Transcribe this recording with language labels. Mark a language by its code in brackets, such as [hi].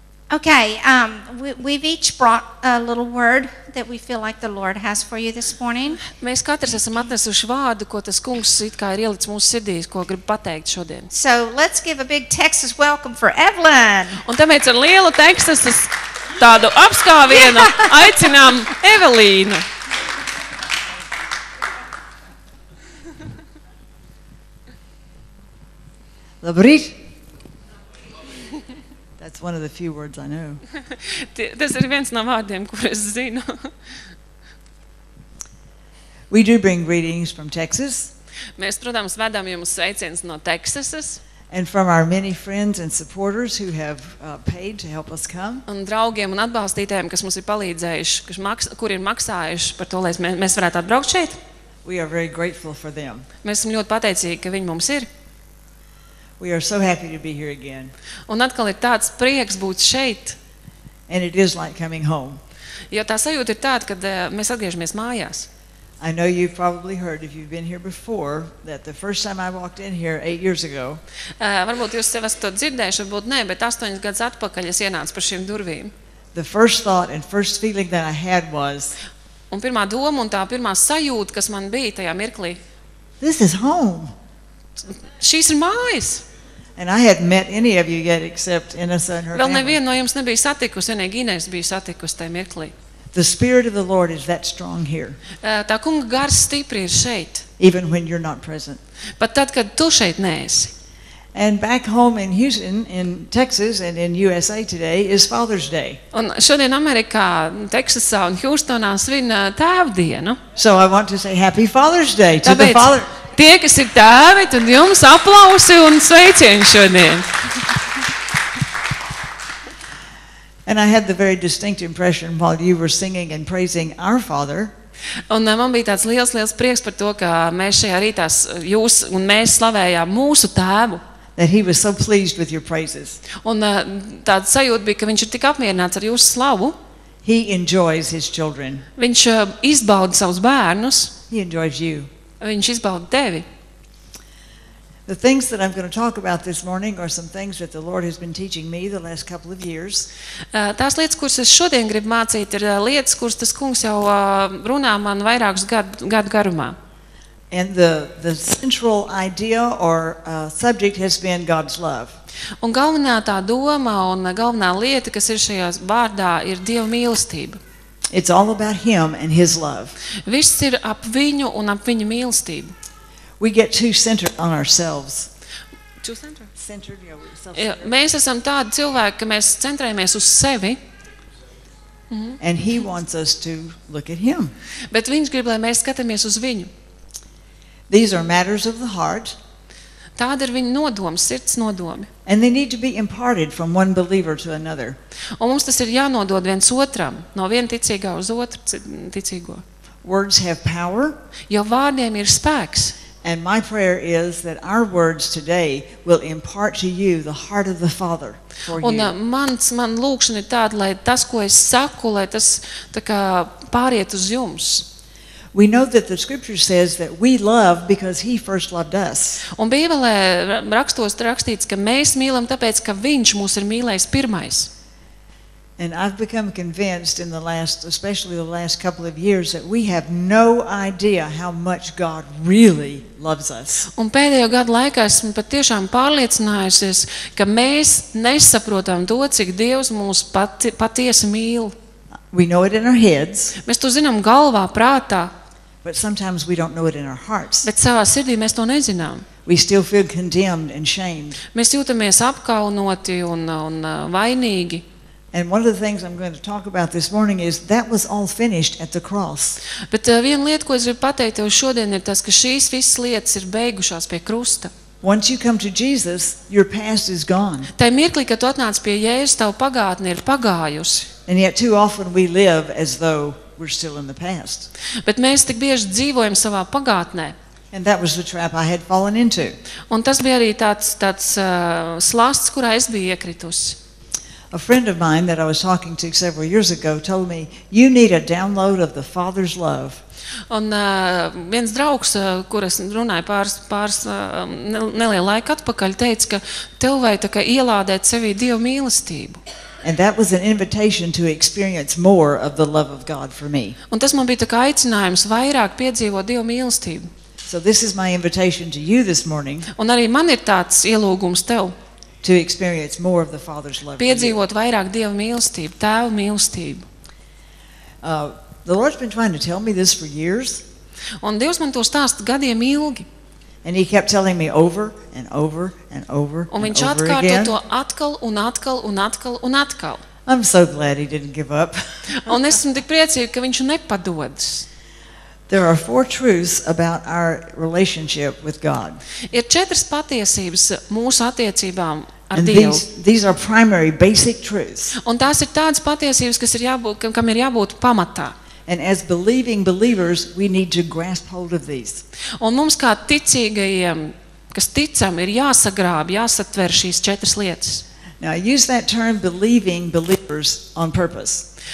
[en] Okay, we've each brought a little word that we feel like the Lord has for you this morning. [lv] Mēs katrs esam atnesuši vārdu, ko tas kungs it kā ir ielicis mūsu sirdīs, ko grib pateikt šodien. [en] So, let's give a big Texas welcome for Evelyn. [lv] Un tāpēc ar lielu Texasas tādu apskāvienu aicinām Evelīnu. Labrīt. [en] That's one of the few words I know. [lv] Tas ir viens no vārdiem, kur es zinu. [en] We do bring greetings from Texas. [lv] Mēs, protams, vedām jums sveicienus no Teksasas. [en] And from our many friends and supporters who have paid to help us come. [lv] Un draugiem un atbalstītājiem, kas mums ir palīdzējuši, kuri ir maksājuši par to, lai mēs varētu atbraukt šeit. [en] We are very grateful for them. [lv] Mēs esam ļoti pateicīgi, ka viņi mums ir. [en] We are so happy to be here again. [lv] Un atkal ir tāds prieks būt šeit. [en] And it is like coming home. [lv] Jo tā sajūta ir tāda, kad mēs atgriežamies mājās. [en] I know you've probably heard if you've been here before that the first time I walked in here 8 years ago. [lv] Varbūt jūs esat to dzirdējuši, varbūt nē, bet 8 gadus atpakaļ es ienācu par šīm durvīm. [en] The first thought and first feeling that I had was. [lv] Un pirmā doma un tā pirmā sajūta, kas man bija tajā mirklī. [en] This is home. [lv] Šīs ir mājas. [en] And I hadn't met any of you yet except Inessa and her family. [lv] Vēl nevienu no jums nebija satikusi, vienīgi Inesa bija satikusi tajā mirklī. [en] The spirit of the Lord is that strong here. [lv] Tā Kunga gars stipri ir šeit. [en] Even when you're not present. [lv] Pat tad, kad tu šeit neesi. [en] And back home in Houston in Texas and in USA today is Father's Day. [lv] Un šodien Amerikā, Teksasā un Hjūstonā svin tēva dienu. [en] So I want to say happy Father's Day to the father. [lv] Tie, kas ir tēvi, tad jums aplausi un sveicieni šodien. [en] And I had the very distinct impression while you were singing and praising our father. [lv] Un man bija tāds liels prieks par to, ka mēs šajā rītā jūs un mēs slavējām mūsu tēvu. [en] That he was so pleased with your praises. [lv] Un tāda sajūta bija, ka viņš ir tik apmierināts ar jūsu slavu. [en] He enjoys his children. [lv] Viņš izbauda savus bērnus. [en] He enjoys you. [lv] Viņš izbauda tevi. [en] The things that I'm going to talk about this morning are some things that the Lord has been teaching me the last couple of years. [lv] Tās lietas, kuras es šodien gribu mācīt, ir lietas, kuras tas Kungs jau runā man vairākus gadu garumā. [en] And the central idea or subject has been God's love. [lv] Un galvenā tā doma un galvenā lieta, kas ir šajā vārdā, ir Dieva mīlestība. [en] It's all about him and his love. [lv] Viss ir ap viņu un ap viņa mīlestību. [en] We get too centered on ourselves. Too centered. Centered, yeah, self-centered. [lv] Ja, mēs esam tādi cilvēki, ka mēs centrējamies uz sevi. Mm-hmm. [en] And he wants us to look at him. [lv] Bet viņš grib, lai mēs skatāmies uz viņu. [en] These are matters of the heart. [lv] Tāda ir viņa nodoma, sirds nodomi. [en] And they need to be imparted from one believer to another. [lv] Un mums tas ir jānodod viens otram, no viena ticīgā uz otru ticīgo. [en] Words have power. [lv] Jo vārdiem ir spēks. [en] And my prayer is that our words today will impart to you the heart of the Father for [lv] un, [en] you. [lv] Un man lūkšana ir tāda, lai tas, ko es saku, lai tas tā kā pāriet uz jums. [en] We know that the scripture says that we love because he first loved us. [lv] Un Bībelē rakstos rakstīts, ka mēs mīlam tāpēc, ka viņš mūs ir mīlējis pirmais. [en] And I've become convinced in the last, especially the last couple of years, that we have no idea how much God really loves us. [lv] Un pēdējo gadu laikā esmu patiešām pārliecinājusies, ka mēs nesaprotam to, cik Dievs mūs patiesi mīl. [en] We know it in our heads. [lv] Mēs to zinām galvā, prātā. [en] But sometimes we don't know it in our hearts. [lv] Bet savā sirdī mēs to nezinām. [en] We still feel condemned and shamed. [lv] Mēs jūtamies apkaunoti un vainīgi. [en] And one of the things I'm going to talk about this morning is that was all finished at the cross. [lv] Bet viena lieta, ko es gribu pateikt tev šodien, ir tas, ka šīs visas lietas ir beigušās pie krusta. [en] Once you come to Jesus, your past is gone. [lv] Tajā mirklī, kad tu atnāc pie Jēzus, tava pagātne ir pagājusi. [en] And yet too often we live as though we're still in the past. [lv] Bet mēs tik bieži dzīvojam savā pagātnē. [en] And that was the trap I had fallen into. [lv] Un tas bija arī tāds slasts, kurā es biju iekritusi. [en] A friend of mine that I was talking to several years ago told me, you need a download of the Father's love. [lv] Un viens draugs, kur es runāju pāris nelielu laiku atpakaļ, teica, ka tev vajag tā kā ielādēt sevī Dieva mīlestību. [en] And that was an invitation to experience more of the love of God for me. [lv] Un tas man bija tā kā aicinājums vairāk piedzīvot Dieva mīlestību. [en] So this is my invitation to you this morning. [lv] Un arī man ir tāds ielūgums tev. [en] To experience more of the Father's love. [lv] Piedzīvot vairāk Dieva mīlestību, Tēva mīlestību. [en] The Lord's been trying to tell me this for years. [lv] Un Dievs man to stāsta gadiem ilgi. [en] And he kept telling me over and over and over [lv] un [en] and over again. [lv] Un viņš atkārto to atkal un atkal un atkal un atkal. [en] I'm so glad he didn't give up. [lv] Un es esmu tik priecīga, ka viņš nepadodas. [en] There are four truths about our relationship with God. [lv] Ir četras patiesības mūsu attiecībām ar [en] and [lv] Dievu. [en] And these are primary basic truths. [lv] Un tās ir tādas patiesības, kas ir jābūt, kam ir jābūt pamatā. [en] And as believing believers, we need to grasp hold of these. [lv] Un mums kā ticīgajiem, kas ticam, ir jāsagrāb, jāsatver šīs četras lietas. [en] Now I use that term believing believers on purpose.